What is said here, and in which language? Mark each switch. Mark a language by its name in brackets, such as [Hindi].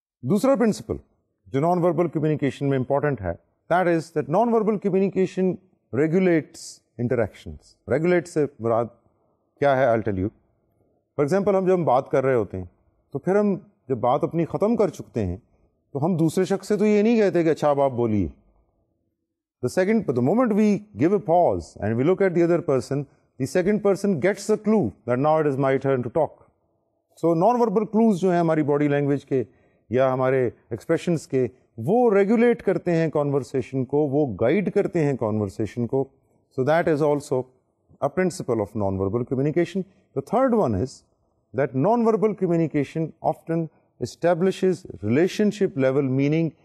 [Urdu] دوسرا پرنسپل جو non verbal communication میں امپورٹنٹ ہے, [English] That is that non verbal communication regulates interactions. [Urdu] Regulates سے مراد کیا ہے, [English] I tell you. For example [Urdu] ہم جب بات کر رہے ہوتے ہیں تو پھر ہم جب بات اپنی ختم کر چکتے ہیں تو ہم دوسرے شخص سے تو یہ نہیں کہتے کہ اچھا اب آپ بولیے. [English] The second the moment we give a pause and we look at the other person, the second person gets a clue that now it is my turn to talk. [Urdu] So non verbal close جو ہیں ہماری body language کے یا ہمارے expressions کے, وہ regulate کرتے ہیں کانورسیشن کو, وہ گائیڈ کرتے ہیں کانورسیشن کو. [English] So that is also a principle of non verbal communication. The third one is that non verbal communication often establishes relationship level meaning.